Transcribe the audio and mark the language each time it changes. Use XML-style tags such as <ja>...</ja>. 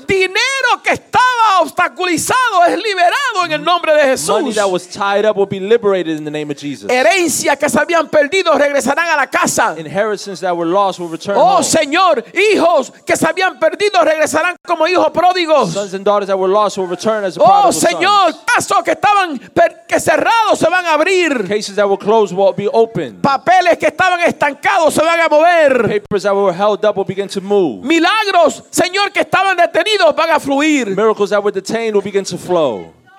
<es>Dinero que estaba obstaculizado es liberado en el nombre de Jesús.</es> <en>Money that was tied up will be liberated in the name of Jesus.</en> <es>Herencias que se habían perdido regresarán a la casa.</es> <en>Inheritance that were lost will return. Oh, home.</en> <es>Señor, hijos que se habían perdido regresarán como hijos pródigos.</es> <en>Sons and daughters that were lost will return as a prodigal.</en> <es>Oh, Señor,</es> <en>sons.</en> <es>Casos que estaban que cerrados se van a abrir.</es> <en>Cases that were closed will be opened.</en> <es>Papeles que estaban estancados se van a mover.</es> <en>Papers that were held up will begin to move.</en> <es>Milagros, Señor, que estaban detenidos van a fluir.</es> <en>Miracles that were detained will begin to flow.</en>